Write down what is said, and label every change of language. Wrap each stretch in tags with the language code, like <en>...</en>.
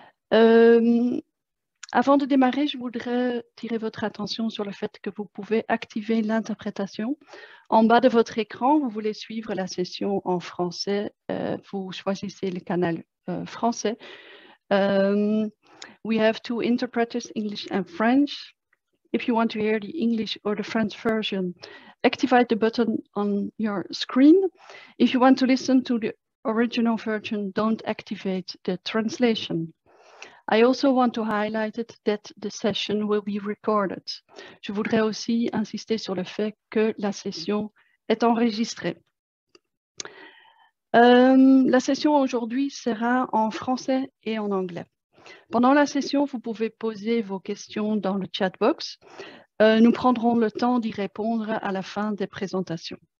<fr>Avant de démarrer, je voudrais tirer votre attention sur le fait que vous pouvez activer l'interprétation. En bas de votre écran, vous voulez suivre la session en français, vous choisissez le canal français.</fr> <en>We have two interpreters, English and French. If you want to hear the English or the French version, activate the button on your screen. If you want to listen to the original version, don't activate the translation. I also want to highlight it that the session will be recorded.</en> <fr>Je voudrais aussi insister sur le fait que la session est enregistrée. La session aujourd'hui sera en français et en anglais. Pendant la session, vous pouvez poser vos questions dans le chat box. Nous prendrons le temps d'y répondre à la fin des présentations.</fr>